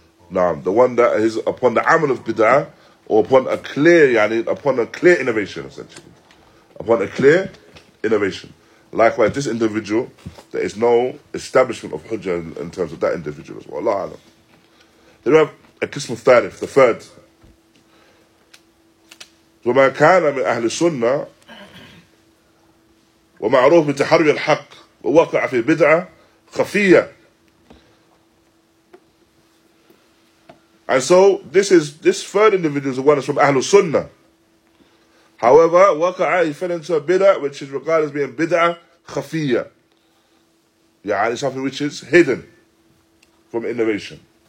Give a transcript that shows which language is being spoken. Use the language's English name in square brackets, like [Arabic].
[English] The one that is upon the amal of bid'ah, or upon a clear, yani, upon a clear innovation, essentially. Upon a clear innovation. Likewise, this individual, there is no establishment of hujjah in terms of that individual as well. Allah Alam. Then we have a Qism al-Thalith, the third. [Arabic] وما كان من أهل السنة ومعروف بتحري الحق ووقع في بدعة خفية. [English] And so this third individual is the one that's from Ahlul Sunnah. However, وقع, he fell into a bid'ah which is regarded as being bid'ah خفية. Yeah, it's something which is hidden from innovation.